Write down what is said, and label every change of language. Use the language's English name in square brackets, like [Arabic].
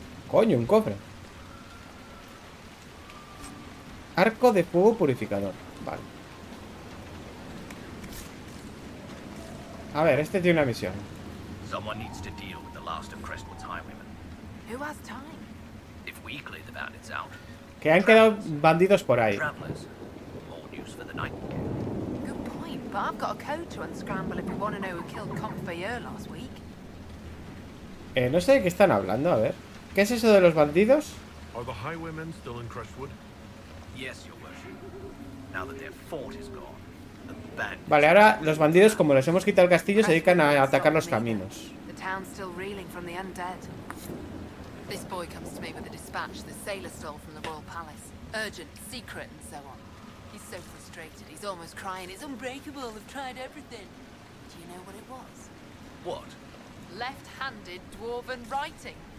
[Spanish] Coño, un cofre. Arco de fuego purificador. Vale. A ver, este tiene una misión. [English] Someone needs to deal with the last of Crestwood's highwaymen. Who has time? If we clear the bandits out. [Spanish] Que han quedado bandidos por ahí. [English] More news for the nightingale. Good point, but I've got a code to unscramble if you want to know who killed Comfeyer last week. [Spanish] No sé de qué están hablando, a ver. ¿Qué es eso de los bandidos? [English] Are the highwaymen still in Crestwood? Yes, your worship. Now that their fort is gone, the bandits. [Spanish] Vale, ahora los bandidos, como les hemos quitado el castillo, se dedican a atacar los caminos. [English] The town's still reeling from the undead. This boy comes to me with a dispatch the sailor stole from the royal palace. Urgent, secret, and so on. He's so frustrated, he's almost crying. It's unbreakable. I've tried everything. Do you know what it was? What? Left-handed dwarven writing.